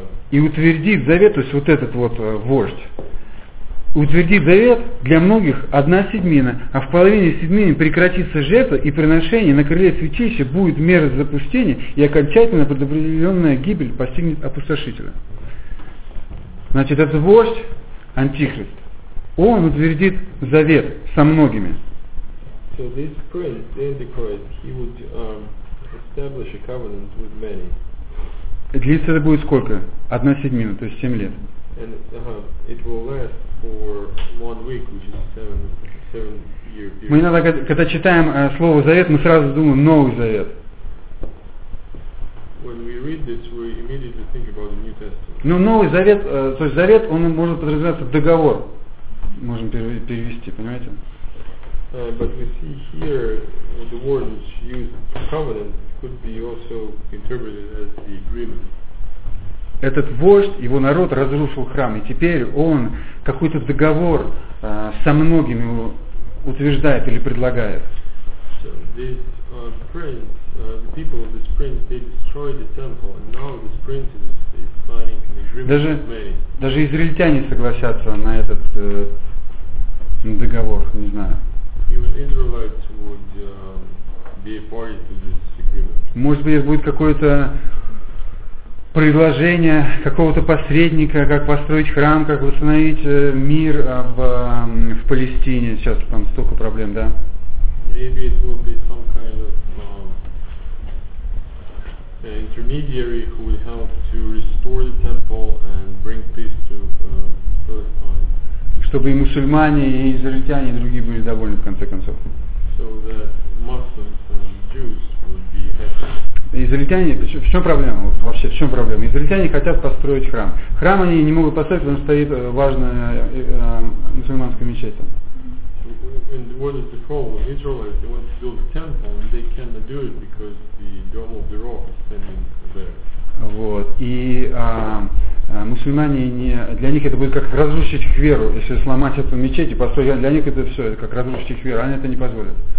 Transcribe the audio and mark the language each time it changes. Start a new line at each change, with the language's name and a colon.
Russian: И утвердит завет, то есть вот этот вот вождь, утвердит завет для многих одна седьмина, а в половине седьмины прекратится жертва, и приношение на крыле святилища будет мера запустения, и окончательно предопределенная гибель постигнет опустошителя. Значит, этот вождь, антихрист, он утвердит завет со многими.
English: So this prince, the Antichrist, he would establish a covenant with many.
Russian: Длится это будет сколько? Одна седьмина, то есть 7 лет.
English: And it will last for one week, which is seven year period.
Russian: Мы иногда, когда читаем слово завет, мы сразу думаем Новый Завет.
English: When we read this, we immediately think about the New Testament.
Russian: Ну, Новый Завет, то есть завет, он может подразумеваться договор. Можем перевести, понимаете?
English: But we see here the word which used covenant could be also interpreted as the agreement.
Russian: Этот вождь, его народ разрушил храм, и теперь он какой-то договор со многими утверждает или предлагает.
English: So this prince, the people of this prince, they destroyed the temple, and now this prince is signing an agreement
Russian: даже,
English: with many.
Russian: Даже израильтяне согласятся на этот договор, не знаю.
English: Even Israelites would be a party to this agreement.
Russian: Может быть, будет какое-то предложение какого-то посредника, как построить храм, как восстановить мир в Палестине. Сейчас там столько проблем, да?
English: Maybe it will be some kind of intermediary who would help to restore the temple and bring peace to Palestine.
Russian: Чтобы и мусульмане, и израильтяне, и другие были довольны, в конце концов.
English: So that Muslims and Jews would be happy.
Russian: Израильтяне, в чем проблема? Вот вообще, в чем проблема? Израильтяне хотят построить храм. Храм они не могут построить, потому что стоит важная мусульманская мечеть.
English: And what is the problem? Israelites, they want to build a temple, and they cannot do it, because the Dome of the Rock is standing there.
Russian: Вот. И мусульмане, не, для них это будет как разрушить их веру, если сломать эту мечеть и построить, для них это все, это как разрушить их веру, они это не позволят.